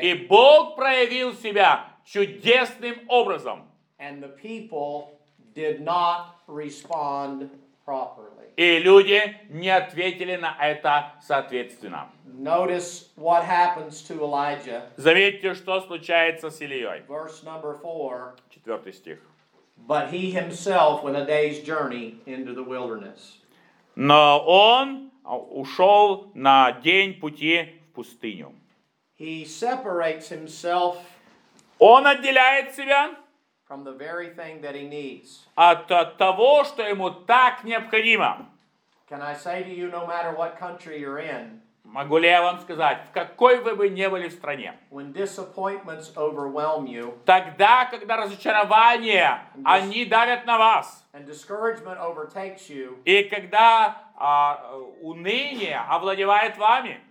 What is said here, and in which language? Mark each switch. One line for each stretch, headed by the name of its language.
Russian: И Бог проявил себя чудесным образом.
English: And the people did not respond properly.
Russian: И люди не ответили на это соответственно.
English: Notice what happens to Elijah.
Russian: Заметьте, что случается с Ильей.
English: Verse number 4.
Russian: Четвертый стих.
English: But he himself went a day's journey into the wilderness.
Russian: Но он ушел на день пути в пустыню.
English: He separates himself.
Russian: Он отделяет себя
English: from the very thing that he needs.
Russian: От того, что ему так необходимо.
English: Can I say to you, no matter what country you're in?
Russian: Могу ли я вам сказать, в какой вы бы не были в стране?
English: When disappointments overwhelm you.
Russian: Тогда, когда разочарования, они давят на вас.
English: And discouragement overtakes you.
Russian: И когда уныние овладевает вами.